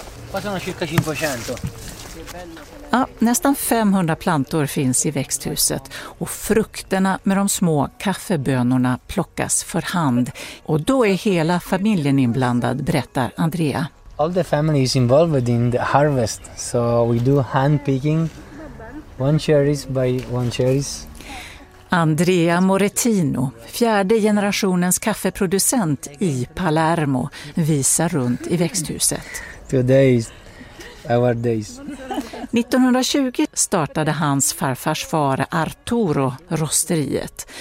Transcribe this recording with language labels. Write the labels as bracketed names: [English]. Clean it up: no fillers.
[Italian] Qua sono circa 500. [Swedish] Ja, nästan 500 plantor finns i växthuset och frukterna med de små kaffebönorna plockas för hand. Och då är hela familjen inblandad, berättar Andrea. [English] All the family is involved in the harvest, so we do hand picking, one cherries by one cherries. [Swedish] Andrea Moretino, fjärde generationens kaffeproducent i Palermo, visar runt i växthuset. [English] Today is our days. [Swedish] 1920 startade hans farfars far Arturo rosteriet.